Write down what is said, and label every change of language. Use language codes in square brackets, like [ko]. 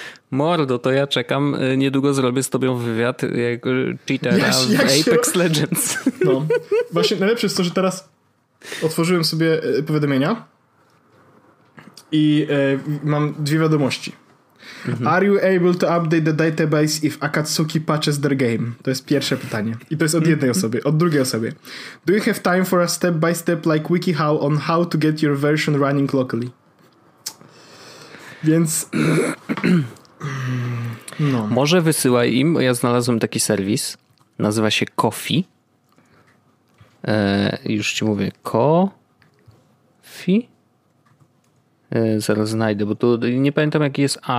[pl] Mordo, to ja czekam, niedługo zrobię z tobą wywiad jako cheatera Apex Legends. No. Właśnie najlepsze jest to, że teraz otworzyłem sobie powiadomienia i mam dwie wiadomości. [en] Are you able to update the database if Akatsuki patches their game? [pl] To jest pierwsze pytanie. I to jest od jednej osoby, od drugiej osoby. [en] Do you have time for a step-by-step like WikiHow on how to get your version running locally? [pl] Więc... No. Może wysyłaj im, bo ja znalazłem taki serwis. Nazywa się Ko-fi. Już ci mówię. Ko-fi? Zaraz znajdę, bo tu nie pamiętam jaki jest.